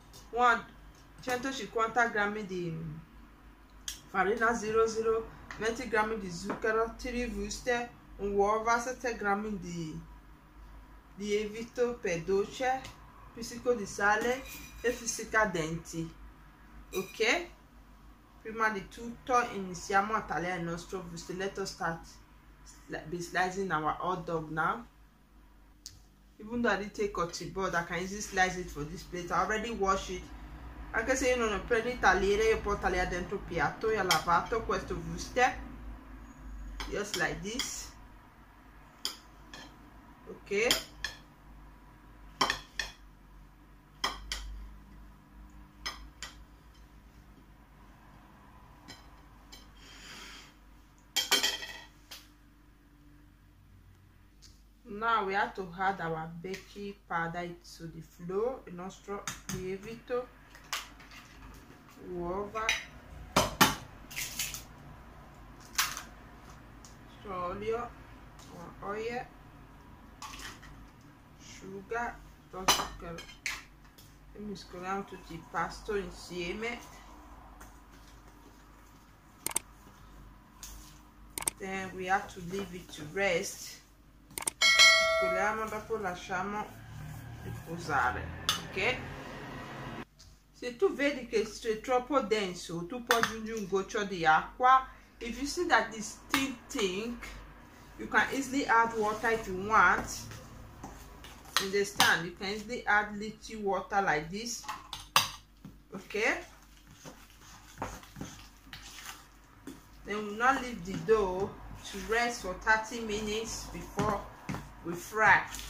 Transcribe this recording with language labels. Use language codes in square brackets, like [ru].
[it] 150 grammi di farina 00, 20 grammi di zucchero, 3 wurstel, un uova, 7 grammi di lievito per dolce, pizzico di sale e fisica denti. Ok? Prima di tutto iniziamo a tagliare il nostro wurstel. [en] Let us start be slicing our hot dog now. Even though I didn't take cutting board, I can easily slice it for this plate. I already washed it. [it] Anche se io non ho preso il tagliere, io posso tagliare dentro il piatto. Io ho lavato questo wurstel. [en] Just like this. Ok. Now we have to add our baking powder to the flour. [it] Il nostro lievito. Uova, olio, oye, sugar, zucchero, e mescoliamo tutto il pasto insieme. [en] Then we have to leave it to rest. [it] Mescoliamo, dopo lasciamo riposare, ok? Se tu vedi che è troppo denso, tu puoi aggiungere un goccio di acqua. [en] If you see that it's still thick, you can easily add water if you want. Understand? You can easily add little water like this. Okay? Then we'll now leave the dough to rest for 30 minutes before we fry.